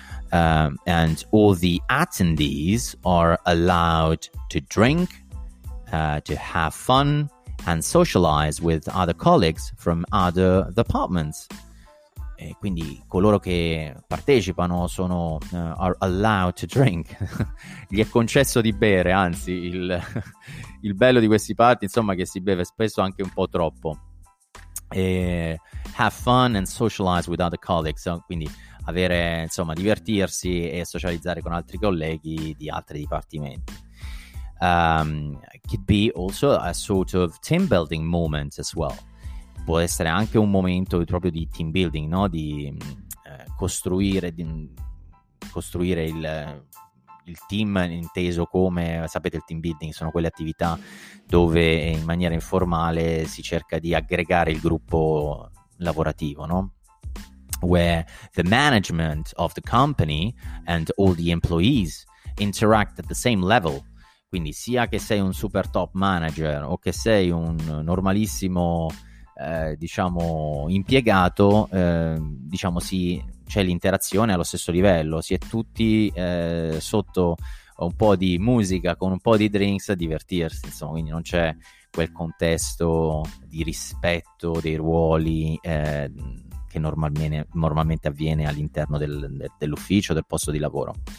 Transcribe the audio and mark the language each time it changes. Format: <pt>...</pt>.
<en>And all the attendees are allowed to drink, to have fun and socialize with other colleagues from other departments.</en> <it>E quindi coloro che partecipano sono</it> <en>are allowed to drink.</en> <it>Gli è concesso di bere, anzi il bello di questi party, insomma, che si beve spesso anche un po' troppo. E</it> <en>have fun and socialize with other colleagues,</en> <it>quindi avere, insomma, divertirsi e socializzare con altri colleghi di altri dipartimenti.</it> <en>Could be also a sort of team building moment as well.</en> <it>Può essere anche un momento proprio di team building, no? Di costruire il team, inteso come, sapete, il team building sono quelle attività dove in maniera informale si cerca di aggregare il gruppo lavorativo, no?</it> <en>Where the management of the company and all the employees interact at the same level.</en> <it>Quindi sia che sei un super top manager o che sei un normalissimo, diciamo, impiegato, diciamo, sì, c'è l'interazione allo stesso livello, si è tutti sotto un po' di musica con un po' di drinks a divertirsi, insomma, quindi non c'è quel contesto di rispetto dei ruoli che normalmente avviene all'interno dell'ufficio, del posto di lavoro.</it>